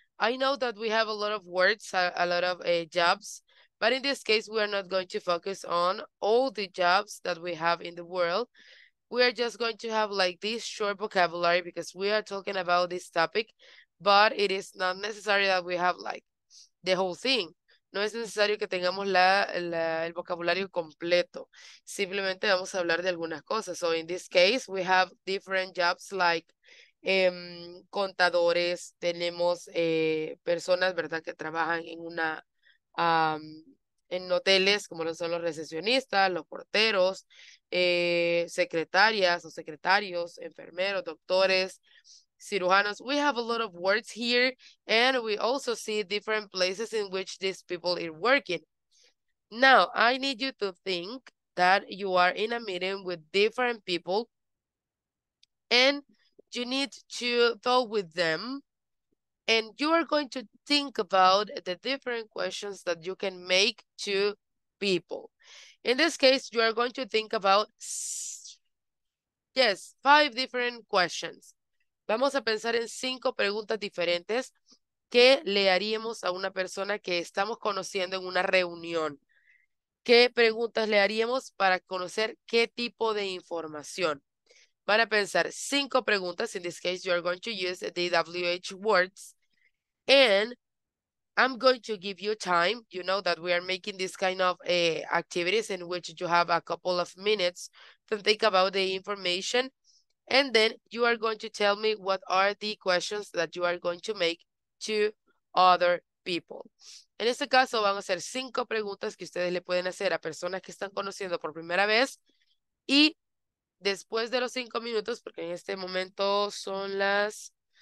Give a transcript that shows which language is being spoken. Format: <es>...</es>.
<en>I know that we have a lot of words, a lot of jobs. But in this case, we are not going to focus on all the jobs that we have in the world. We are just going to have like this short vocabulary because we are talking about this topic, but it is not necessary that we have like the whole thing.</en> <es>No es necesario que tengamos el vocabulario completo. Simplemente vamos a hablar de algunas cosas.</es> <en>So in this case, we have different jobs like</en> <es>contadores, tenemos personas, ¿verdad?, que trabajan en una... en hoteles como lo son los recepcionistas, los porteros, secretarias o secretarios, enfermeros, doctores, cirujanos.</es> <en>We have a lot of words here and we also see different places in which these people are working. Now, I need you to think that you are in a meeting with different people and you need to talk with them. And you are going to think about the different questions that you can make to people. In this case, you are going to think about, yes, 5 different questions.</en> <es>Vamos a pensar en 5 preguntas diferentes que le haríamos a una persona que estamos conociendo en una reunión. ¿Qué preguntas le haríamos para conocer qué tipo de información? Van a pensar 5 preguntas.</es> <en>In this case, you are going to use the WH words. And I'm going to give you time. You know that we are making this kind of activities in which you have a couple of minutes to think about the information. And then you are going to tell me what are the questions that you are going to make to other people.</en> <es>En este caso, van a ser 5 preguntas que ustedes le pueden hacer a personas que están conociendo por primera vez. Y después de los 5 minutos, porque en este momento son las...</es>